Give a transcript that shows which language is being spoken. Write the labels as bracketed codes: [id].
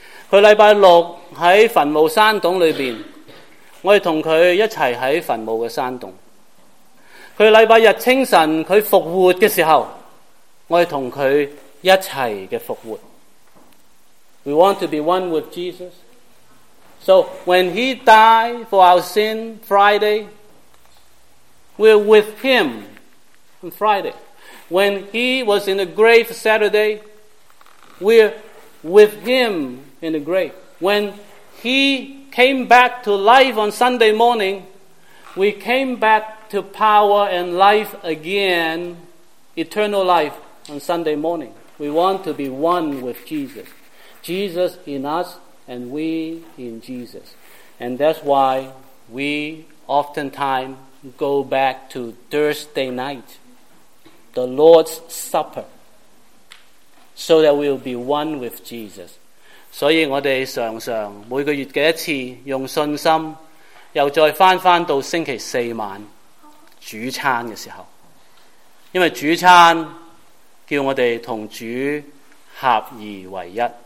[zh] 他礼拜六在坟墓山洞里面，我们同他一起在坟墓的山洞。他礼拜日清晨他复活的时候，我们同他一起的复活。 [en] We want to be one with Jesus. So when he died for our sin Friday, we're with him on Friday. When he was in the grave Saturday, we're with him in the grave. When he came back to life on Sunday morning, we came back to power and life again, eternal life on Sunday morning. We want to be one with Jesus. Jesus in us and we in Jesus. And that's why we oftentimes go back to Thursday night, the Lord's Supper, so that we'll be one with Jesus. [zh] 所以我们常常每个月的一次用信心又再回到星期四晚主餐的时候，因为主餐叫我们同主合而为一，